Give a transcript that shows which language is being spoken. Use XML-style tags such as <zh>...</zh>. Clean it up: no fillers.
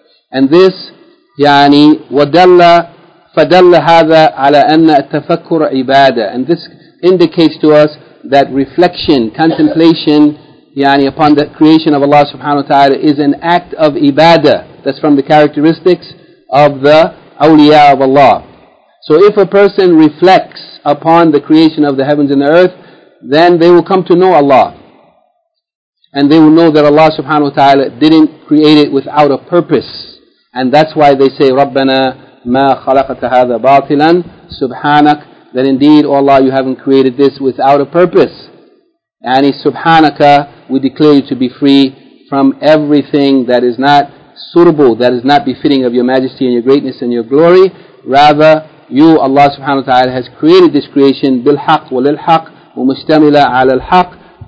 <en>And this,</en> <ar>yani فَدَلَّ هَذَا عَلَىٰ أَنَّ التَّفَكُّرَ عِبَادَةً.</ar> <en>And this indicates to us that reflection, contemplation, yani upon the creation of Allah subhanahu wa ta'ala, is an act of ibadah. That's from the characteristics of the awliya of Allah. So if a person reflects upon the creation of the heavens and the earth, then they will come to know Allah. And they will know that Allah subhanahu wa ta'ala didn't create it without a purpose. And that's why they say,</en> <ar>رَبَّنَا مَا خَلَقَتَ هَذَا بَاطِلًا سُبْحَانَكَ.</ar> <en>That indeed, O Allah, you haven't created this without a purpose. And in Subhanaka, we declare you to be free from everything that is not suitable, that is not befitting of your majesty and your greatness and your glory. Rather, you, Allah subhanahu wa ta'ala, has created this creation</en> <ar>بِالْحَقْ وَلِلْحَقْ وَمُشْتَمِلَ عَلَى الْحَقْ.</ar>